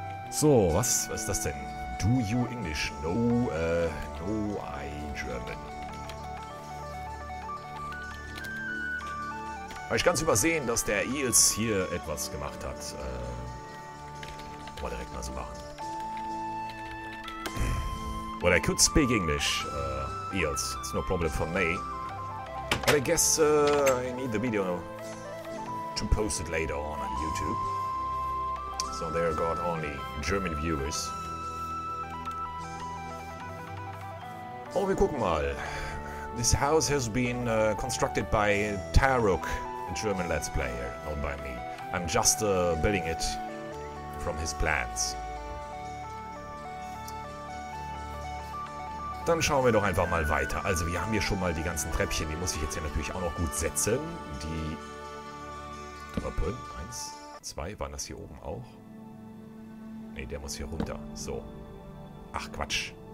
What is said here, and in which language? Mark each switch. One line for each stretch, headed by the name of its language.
German: So, was ist das denn?
English: Do you English? No, I German.
German: Habe ich ganz übersehen, dass der Eels hier etwas gemacht hat. Mal direkt mal so machen.
English: Well, I could speak English, Eels. It's no problem for me. But I guess I need the video to post it later on YouTube. So there got only German viewers.
German: Oh, wir gucken mal.
English: This house has been constructed by Taruk, a German Let's Player, not by me. I'm just building it from his plans.
German: Dann schauen wir doch einfach mal weiter. Also, wir haben hier schon mal die ganzen Treppchen. Die muss ich jetzt hier natürlich auch noch gut setzen. Die Treppen. 1, 2. Waren das hier oben auch? Nee, der muss hier runter. So. Ach, Quatsch.